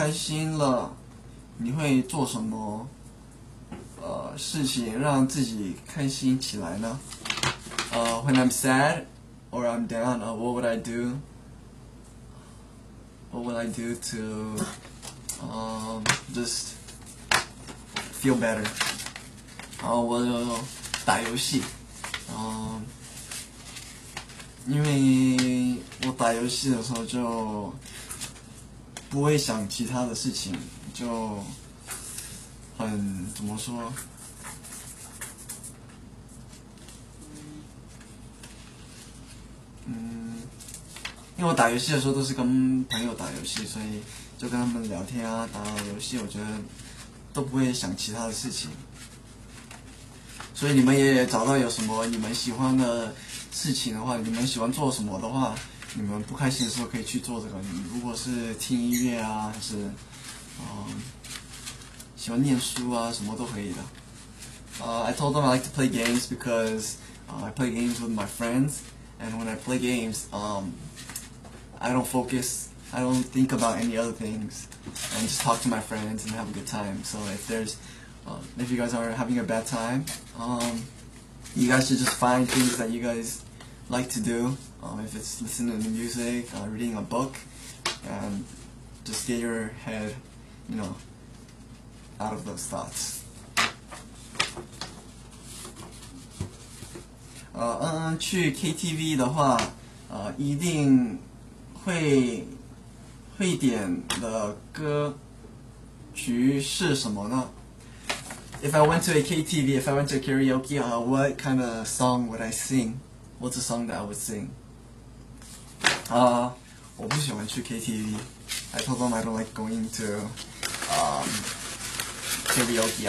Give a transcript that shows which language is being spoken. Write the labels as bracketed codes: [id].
[zh] 如果不开心了，你会做什么？事情让自己开心起来呢? [en] When I'm sad or I'm down, what would I do? What would I do to just feel better? [zh] 然后我就打游戏 因为我打游戏的时候就不会想其他的事情 就很怎么说 因为我打游戏的时候都是跟朋友打游戏，所以就跟他们聊天啊，打游戏，我觉得都不会想其他的事情。所以你们也找到有什么你们喜欢的事情的话，你们喜欢做什么的话，你们不开心的时候可以去做这个。如果是听音乐啊，还是喜欢念书啊，什么都可以的。 [en] I told them I like to play games because I play games with my friends. And when I play games, I don't focus, I don't think about any other things, and just talk to my friends and have a good time. So if there's, if you guys are having a bad time, you guys should just find things that you guys like to do. If it's listening to music, reading a book, and just get your head, you know, out of those thoughts. [zh] KTV的话, 一定会点的歌曲是什么呢? [en] If I went to a KTV, if I went to a karaoke, what kind of song would I sing? What's the song that I would sing? [zh] 我不喜欢去KTV. [en] I told them I don't like going to karaoke.